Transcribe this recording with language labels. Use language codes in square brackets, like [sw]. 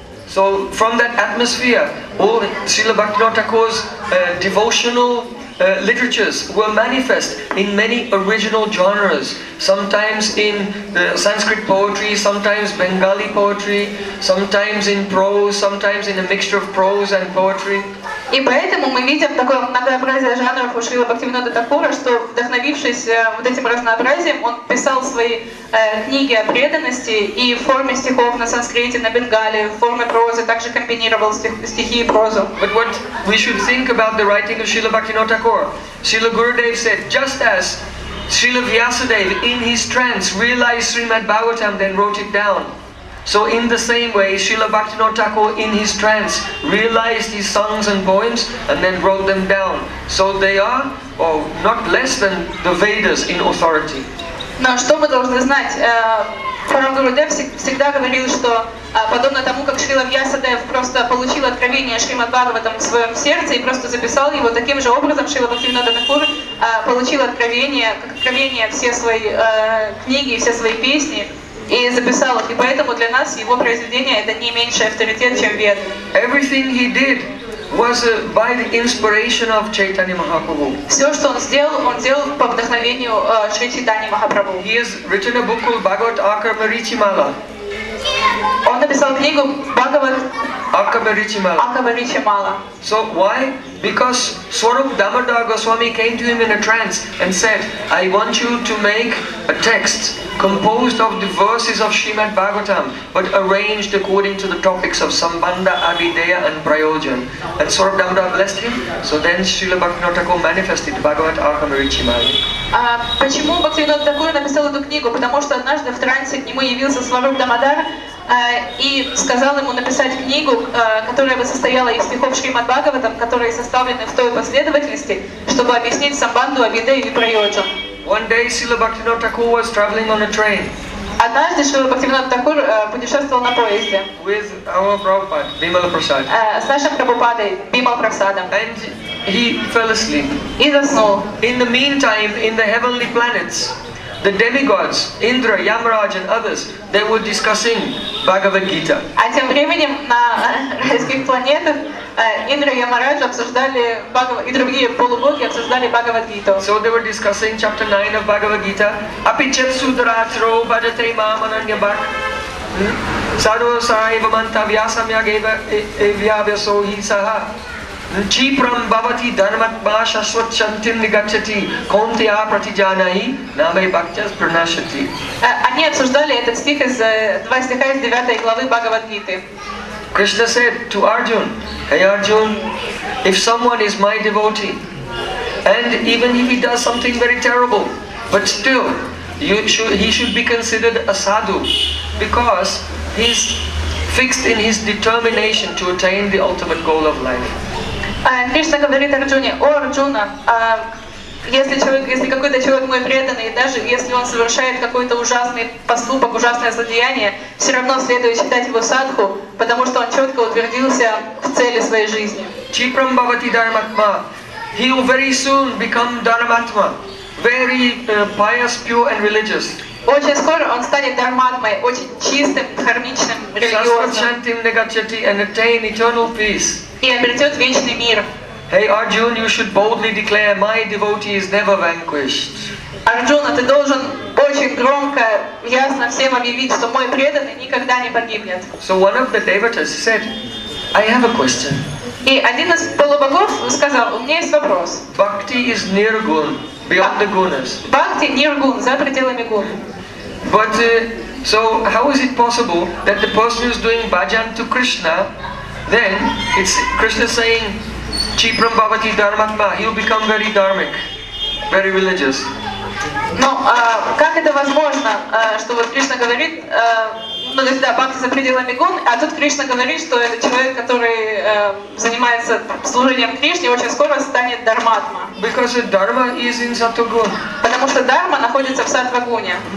[en] So from that atmosphere, all Srila Bhaktivinoda Thakur's devotional literatures were manifest in many original genres, sometimes in Sanskrit poetry, sometimes Bengali poetry, sometimes in prose, sometimes in a mixture of prose and poetry. [ru] И поэтому мы видим такое многообразие жанров у Шрилы Бхактивинода Тхакура, что, вдохновившись вот этим разнообразием, он писал свои книги о преданности и в форме стихов на санскрите, на бенгале, в форме прозы, также комбинировал стихи и прозу. [en] But what we should think about the writing of Srila Bhaktivinoda Thakur, Srila Gurudev said, just as Srila Vyasadeva in his trance realized Srimad Bhagavatam, then wrote it down. So in the same way, Srila Bhaktivinoda Thakur in his trance realized his songs and poems and then wrote them down. So they are not less than the Vedas in authority. [ru] Но что мы должны знать? Прем Гурудев всегда говорил, что подобно тому, как Шрила Вьясадев просто получил откровение Шримад Бхагаватам в своем сердце и просто записал его, таким же образом Шрила Бхактивинода Тхакур получил откровение все свои книги, все свои песни. И записал их, и поэтому для нас его произведение это не меньше авторитет, чем Веды. [en] Everything he did was by the inspiration of Chaitanya Mahaprabhu. [ru] Все, что он сделал по вдохновению Шри Чайтаньи Махапрабху. [en] He has written a book called Bhagavat Akramarichimala. [ru] Он написал книгу Бхагават Акамаричимала. Акамаричимала. [en] So why? Because Swarup Damodar Goswami came to him in a trance and said, I want you to make a text composed of the verses of Srimad Bhagavatam, but arranged according to the topics of Sambandha, Abhideya and Prayojan. And Swarup Damodar blessed him, so then Srila Bhaktivinoda Thakur manifested Bhagavat Akamaricimala. [ru] Почему Бхактивинода Тхакура написал эту книгу? Потому что однажды в трансе к нему явился Сварук Дамодар и сказал ему написать книгу, которая бы состояла из стихов Шримад Бхагаватам, которые составлены в той последовательности, чтобы объяснить Самбанду, Абидею и Прайоджу. [en] One day Srila Bhaktivinoda Thakur was traveling on a train. [ru] Однажды Шрила Бхактивинода Тхакур путешествовал на поезде. [en] With our Prabhupada, Bimala Prasad. [ru] С нашим Прабхупадой, Бимала Прасадом. [en] And he fell asleep. [ru] И заснул. [en] In the meantime, in the heavenly planets, the demigods, Indra, Yamaraj and others, they were discussing Bhagavad Gita. [ru] А тем временем на райских планетах Индра и Ямарадж обсуждали и другие полубоги обсуждали Бхагавад Гиту. [en] So they were discussing chapter 9 of Bhagavad Gita. [sa] Апичет сударатро баджате мам ананьябак. Садо саева мантавьясам ягева эвьявясо хи саха. Chipram bhavati dharmat bhashaswat chantin nigachati kontya pratijanahi namai bhakchas pranashati. [ru] Они обсуждали этот стих из два стиха из 9 главы Бхагавад Гиты. [en] Krishna said to Arjun, hey Arjun, if someone is my devotee, and even if he does something very terrible, but still, he should be considered a sadhu, because he's fixed in his determination to attain the ultimate goal of life. [ru] Krishna говорит Арджуне, о Арджуна, если какой-то человек мой преданный, даже если он совершает какой-то ужасный поступок, ужасное злодеяние, все равно следует считать его садху, потому что он четко утвердился в цели своей жизни. [sa] Chipram bhavati dharmatma. [en] He will very soon become dharmatma. Very pious, pure and religious. [ru] Очень скоро он станет дхарматмой, очень чистым, дхармичным, религиозным. [sa] Saswat chantim negachati [en] and attain eternal peace. [ru] И обретет вечный мир. [en] Hey Arjun, you should boldly declare, my devotee is never vanquished. [ru] Арджуна, ты должен очень громко, ясно всем объявить, что мой преданный никогда не погибнет. [en] So one of the devotees said, I have a question. [ru] И один из полубогов сказал, у меня есть вопрос. [en] Bhakti is nirgun, beyond the gunas. [ru] Bhakti nirgun, за пределами гун. [en] But so how is it possible that the person who is doing bhajan to Krishna, then it's Krishna saying, [sa] Chipram bhavati dharmatma, [en] he'll become very dharmic, very religious. [ru] Но как это возможно, что вот Кришна говорит, ну то есть да, бхакти за пределами гун, а тут Кришна говорит, что этот человек, который занимается служением Кришне, очень скоро станет дарматма. [en] Because dharma is in sattva-gun. [ru] Потому что дарма находится в сатва-гуне.